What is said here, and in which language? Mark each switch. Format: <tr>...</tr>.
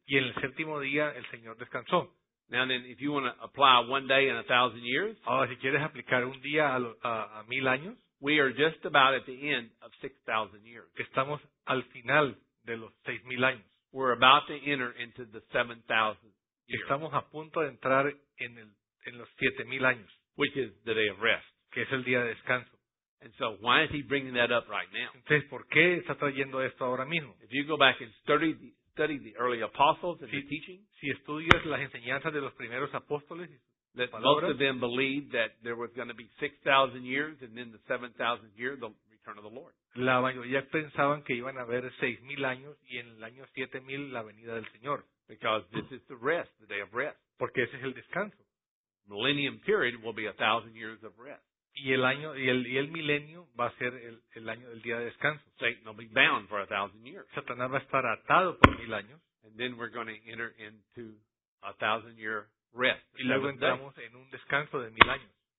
<es>Y en el séptimo día, el Señor descansó.</es> <en>Now then, if you want to apply one day in a thousand years,</en> <es>ahora, si quieres aplicar un día a mil años,</es> <en>we are just about at the end of 6,000 years.</en> <es>Estamos al final de los 6,000 años.</es> <en>We're about to enter into the 7,000 years.</en> <es>Estamos a punto de entrar en los 7,000 años.</es> <en>Which is the day of rest.</en> <es>Que es el día de descanso.</es> <en>And so, why is he bringing that up right now?</en> <es>Entonces, ¿por qué está trayendo esto ahora mismo?</es> <en>If you go back and study the early apostles and</en> <es>si,</es> <en>the teaching,</en> <es>si estudias las enseñanzas de los primeros apóstoles,</es> <en>that</en> <es>palabras,</es> <en>most of them believed that there was going to be 6,000 years and then the 7,000 year, the return of the Lord.</en> <es>La mayoría pensaban que iban a haber 6,000 años y en el año 7,000 la venida del Señor.</es> <en>Because this is the rest, the day of rest.</en> <es>Porque ese es el descanso.</es> <en>Millennium period will be 1,000 years of rest.</en> <es>Y el milenio va a ser el año del día de descanso.</es> <en>Satan will be bound for 1,000 years.</en> <es>Satanás va a estar atado por 1,000 años.</es> <en>And then we're going to enter into 1,000 year rest.</en> <es>Y luego entramos en un descanso de 1,000 años.</es>